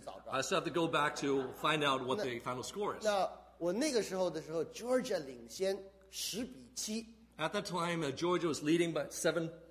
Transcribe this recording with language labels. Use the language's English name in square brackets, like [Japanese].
[English] I still have to go back to find out what the final score is. [Chinese] 那我那个时候的时候 ，Georgia 领先十比七。 [English] At that time, Georgia was leading by 10-7.